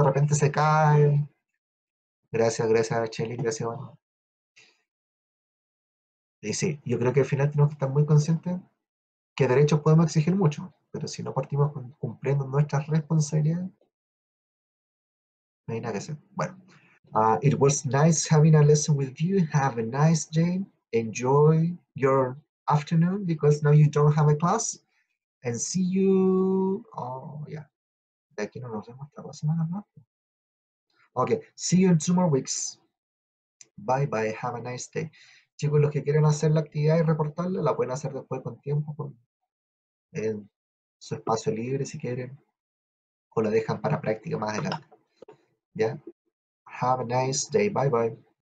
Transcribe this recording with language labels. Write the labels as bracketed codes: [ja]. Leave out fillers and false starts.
[es] De repente se cae. Gracias, gracias, Chelín. Gracias, bueno. Y sí, yo creo que al final tenemos que estar muy conscientes que derechos podemos exigir mucho, pero si no partimos cumpliendo nuestras responsabilidades, no hay nada que hacer. [en] Bueno, it was nice having a lesson with you. Have a nice day. Enjoy your afternoon because now you don't have a class. And see you. Oh, yeah. [es] De aquí no nos vemos hasta la semana, ¿no? [en] Ok, see you in 2 more weeks. Bye bye. Have a nice day. [es] Chicos, los que quieren hacer la actividad y reportarla, la pueden hacer después con tiempo, en su espacio libre si quieren, o la dejan para práctica más adelante. ¿Ya? [en] Have a nice day. Bye bye.